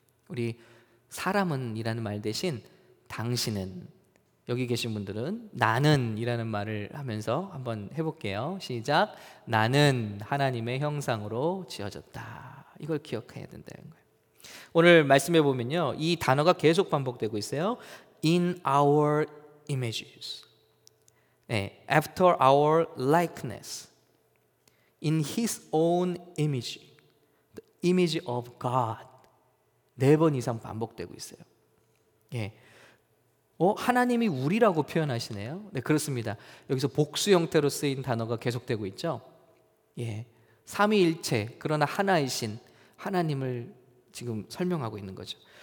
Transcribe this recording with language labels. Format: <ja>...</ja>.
<ko>우리 사람은 이라는 말 대신 당신은, 여기 계신 분들은 나는 이라는 말을 하면서 한번 해볼게요. 시작. 나는 하나님의 형상으로 지어졌다. 이걸 기억해야 된다는 거예요. 오늘 말씀해 보면요, 이 단어가 계속 반복되고 있어요.</ko> <en>In our images,</en> <ko>네,</ko> <en>after our likeness, in his own image, the image of God.</en> <ko>네 번 이상 반복되고 있어요. 예. 하나님이 우리라고 표현하시네요. 네, 그렇습니다. 여기서 복수 형태로 쓰인 단어가 계속되고 있죠. 예. 삼위일체, 그러나 하나이신 하나님을 지금 설명하고 있는 거죠.</ko>